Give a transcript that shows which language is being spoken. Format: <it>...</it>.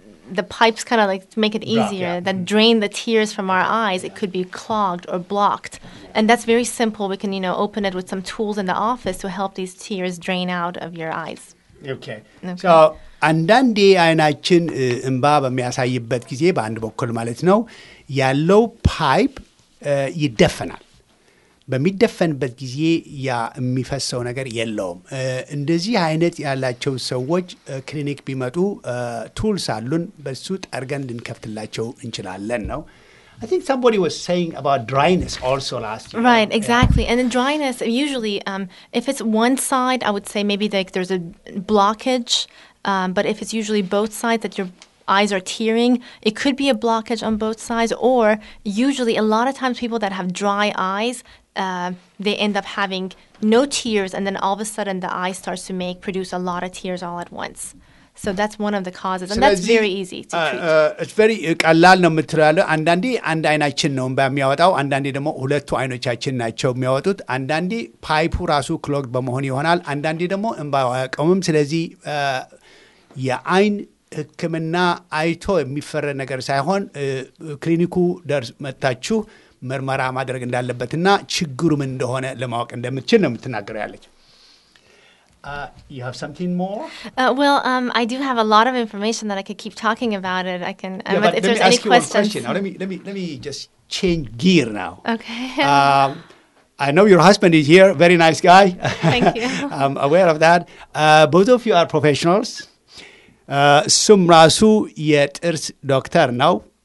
<en>The pipes kind of like make it easier, that drain the tears from our eyes. It could be clogged or blocked. And that's very simple. We can, you know, open it with some tools in the office to help these tears drain out of your eyes. Okay.</en> <am>So, አንዳንዴ አይናችን እንባ በሚያሳይበት ጊዜ በአንድ በኩል ማለት ነው ያለው ፓይፕ ይደፈናል። በሚደፈንበት ጊዜ ያ የሚፈሰው ነገር የለውም። እንደዚህ አይነት ያላቸው ሰዎች ክሊኒክ ቢመጡ ቱልስ አሉን በሱ ጠርገን ልንከፍትላቸው እንችላለን ነው።</am> <en>I think somebody was saying about dryness also last year. Right, exactly. Yeah. And then dryness, usually, if it's one side, I would say maybe like there's a blockage. But if it's usually both sides that your eyes are tearing, it could be a blockage on both sides. Or usually a lot of times people that have dry eyes, they end up having no tears. And then all of a sudden the eye starts to produce a lot of tears all at once. So that's one of the causes, and that's very easy to treat. It's very</en> <am>ቀላል ነው የምትላለ። አንዳንዴ አንድ አይናችን ነው የሚያወጣው፣ አንዳንዴ ደግሞ ሁለቱ አይኖቻችን ናቸው የሚያወጡት። አንዳንዴ ፓይፑ ራሱ ክሎግ በመሆን ይሆናል፣ አንዳንዴ ደግሞ እንባው አያቆምም። ስለዚህ የአይን ህክምና አይቶ የሚፈረድ ነገር ሳይሆን ክሊኒኩ ደርስ መጣችሁ ምርመራ ማድረግ እንዳለበትና ችግሩም እንደሆነ ለማወቅ እንደምትችል ነው የምትናገረው ያለች።</am> <en>You have something more? I do have a lot of information that I could keep talking about it. I can, yeah, but if there's any questions. Question. Now, let me just change gear now. Okay. I know your husband is here. Very nice guy. Thank you. I'm aware of that. Both of you are professionals. Sum Rasu yet is doctor now.</en>